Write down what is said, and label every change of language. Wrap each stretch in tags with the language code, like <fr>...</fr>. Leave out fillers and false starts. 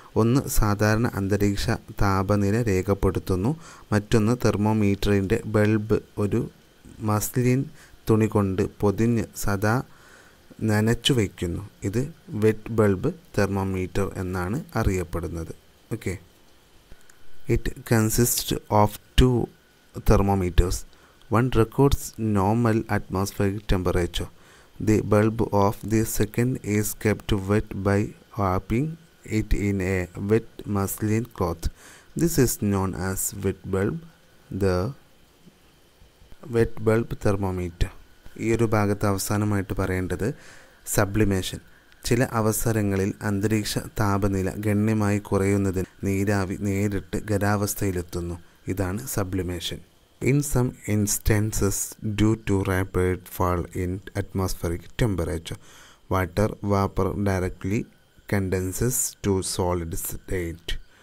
<ml>ഒന്ന് സാധാരണ അന്തരീക്ഷ താപനില രേഖപ്പെടുത്തുന്നു, മറ്റൊന്ന് തെർമോമീറ്ററിൻ്റെ ബൾബ് ഒരു മസ്ലിൻ തുണി കൊണ്ട് പൊതിഞ്ഞ് സദാ നനച്ചു വയ്ക്കുന്നു. ഇത് വെറ്റ് ബൾബ് തെർമോമീറ്റർ എന്നാണ് അറിയപ്പെടുന്നത്.</ml> <en>Okay, it consist of two thermometers. one records normal atmospheric temperature. The bulb of the second is kept wet by wrapping it in a wet muslin cloth. This is known as wet bulb, the wet bulb thermometer.</en> <ml>ഈ ഒരു ഭാഗത്ത് അവസാനമായിട്ട് പറയേണ്ടത് sublimation. ചില അവസരങ്ങളിൽ അന്തരീക്ഷ താപനില ഗണ്യമായി കുറയുന്നതിന് നീരാവി നേരിട്ട് ഖരാവസ്ഥയിലെത്തുന്നു. ഇതാണ് sublimation.</ml> <en>In some instances due to rapid fall in atmospheric temperature water vapour directly condenses to solid state.</en>